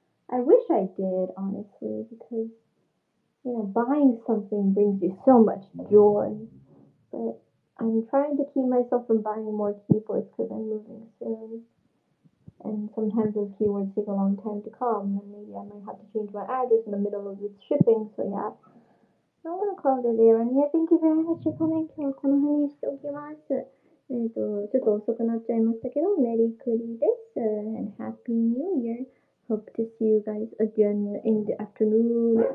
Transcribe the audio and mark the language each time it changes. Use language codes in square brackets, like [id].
[en] I wish I did, honestly, because, you know, buying something brings you so much joy, but I'm trying to keep myself from buying more keyboards because I'm moving soon, and sometimes those keyboards take a long time to come, and maybe I might have to change my address in the middle of the shipping, so yeah, I want to call it there. And yeah, thank you very much for coming. [ja] So, この辺にしておきます。ちょっと遅くなっちゃいましたけど、メリークリーです。 [en] And Happy New Year. Hope to see you guys again in the afternoon.